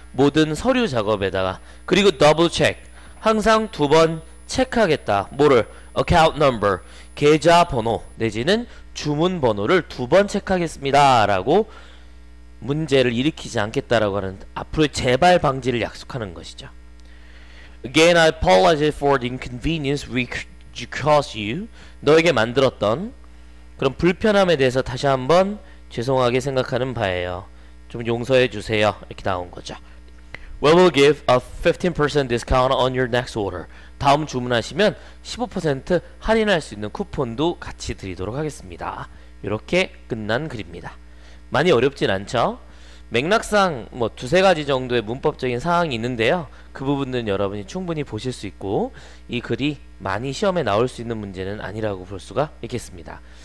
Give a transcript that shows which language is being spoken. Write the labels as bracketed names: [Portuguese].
[Korean] 모든 서류 작업에다가. 그리고 double check. 항상 두번 체크하겠다. 뭐를? account number. 계좌번호 내지는 주문번호를 두번 체크하겠습니다라고 문제를 일으키지 않겠다라고 하는 앞으로의 재발 방지를 약속하는 것이죠. [English] Again, I apologize for the inconvenience we caused you. [Korean] 너에게 만들었던 그런 불편함에 대해서 다시 한번 죄송하게 생각하는 바예요. 좀 용서해 주세요. 이렇게 나온 거죠. [English] We will give a 15% discount on your next order. [Korean] 다음 주문하시면 15% 할인할 수 있는 쿠폰도 같이 드리도록 하겠습니다. 이렇게 끝난 글입니다. 많이 어렵진 않죠? 맥락상 뭐 두세 가지 정도의 문법적인 사항이 있는데요. 그 부분은 여러분이 충분히 보실 수 있고, 이 글이 많이 시험에 나올 수 있는 문제는 아니라고 볼 수가 있겠습니다.